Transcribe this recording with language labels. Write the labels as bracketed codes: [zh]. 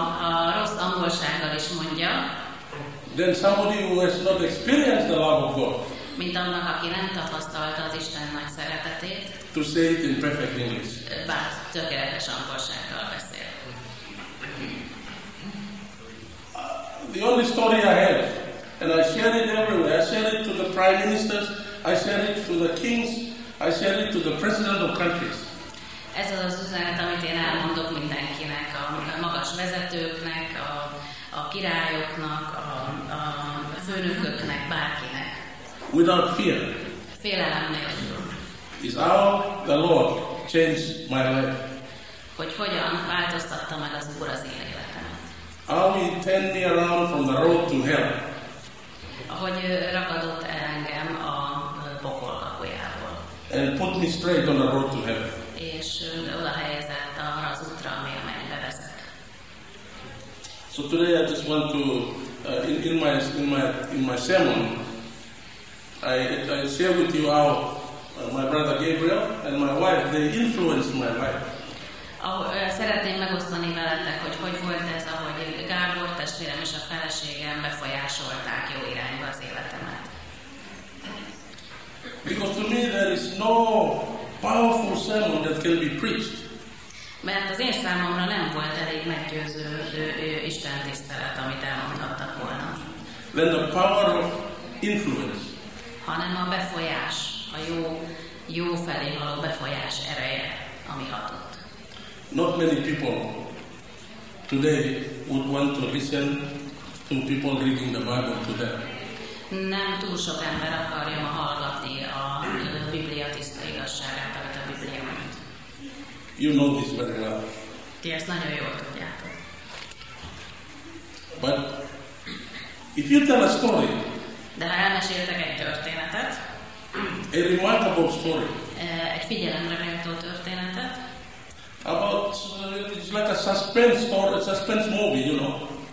[hu] A rossz angolsággal is mondja. [en] Then somebody who has not experienced the love of God. [hu] Mint annak, aki nem tapasztalta az Isten nagy szeretetét. [en] To say it in perfect English. [hu] Bár tökéletes angolsággal beszél. [en] The only story I have, and I share it everywhere. I share it to the prime ministers. I share it to the kings. I share it to the president of countries. [hu] Ez az az üzenet, amit én elmondok mindenkinek, a magas vezetőknek, a királyoknak, a főnököknek, bárkinek. [en] Without fear. [hu] Félelem nélkül. [en] Is how the Lord changed my life. [hu] Hogy hogyan változtatta meg az Úr az életemet. [en] How he turned me around from the road to hell. [hu] Ahogy ragadott el engem a pokol kapujából. [en] And put me straight on the road to heaven. [hu] És oda helyezett arra az útra, ami a mennybe vezet. [en] So today I just want to in my sermon, I share with you how my brother Gabriel and my wife, they influenced my life. [hu] Szeretném megosztani veletek, hogy volt ez, ahogy Gábor testvérem és a feleségem befolyásolták jó irányba az életemet. [en] Because to me there is no powerful sermon that can be preached. [hu] Mert az én számomra nem volt elég meggyőző Isten tisztelet, amit elmondhattak volna. [en] When the power of influence. [hu] Hanem a befolyás, a jó felé való befolyás ereje, ami hatott. [en] Not many people today would want to listen to people reading the Bible to them. [hu] Nem túl sok ember akarja ma hallgatni a Biblia tiszta igazságát, vagy a Bibliát. [en] You know this very well. [hu] Ti ezt nagyon jól tudjátok. [en] But if you tell a story, [hu] de ha elmeséltek egy történetet, [en] a remarkable story, [hu] egy figyelemre méltó történetet, [en] about it's like a suspense or a suspense movie, you know.